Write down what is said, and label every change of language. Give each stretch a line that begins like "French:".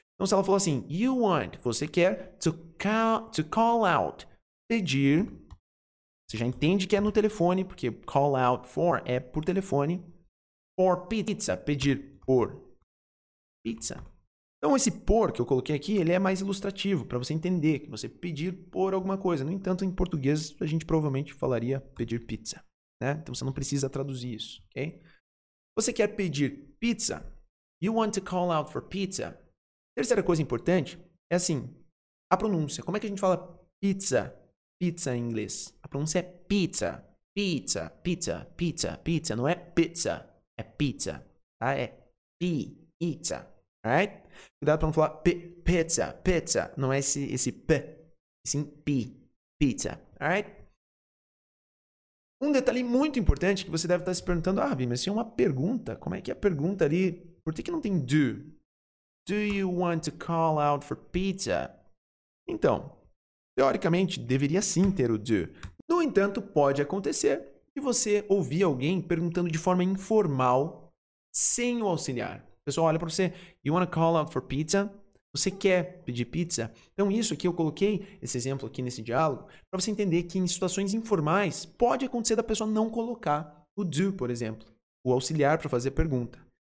Portuguese: Então, se ela falou assim, you want, você quer, to call out, pedir, você já entende que é no telefone, porque call out for é por telefone, for pizza, pedir por pizza. Então, esse por que eu coloquei aqui, ele é mais ilustrativo, para você entender que você pedir por alguma coisa. No entanto, em português, a gente provavelmente falaria pedir pizza, né? Então, você não precisa traduzir isso, ok? Você quer pedir pizza?
English: You want to call out for pizza?
Portuguese: Terceira coisa importante é assim, a pronúncia. Como é que a gente fala pizza? Pizza em inglês. A pronúncia é pizza. Pizza, pizza, pizza, pizza. Não é pizza, é pizza. Tá? É pizza. Alright? Cuidado pra não falar pizza, pizza. Não é esse p, sim p, pizza. Alright? Um detalhe muito importante que você deve estar se perguntando, ah, Vi, mas tinha uma pergunta. Como é que é a pergunta ali? Por que que não tem do?
English: Do you want to call out for pizza?
Portuguese: Então, teoricamente, deveria sim ter o do. No entanto, pode acontecer que você ouvir alguém perguntando de forma informal, sem o auxiliar. O pessoal olha para você,
English: you want to call out for pizza?
Portuguese: Você quer pedir pizza? Então, isso aqui, eu coloquei esse exemplo aqui nesse diálogo para você entender que em situações informais, pode acontecer da pessoa não colocar o do, por exemplo, o auxiliar para fazer a pergunta.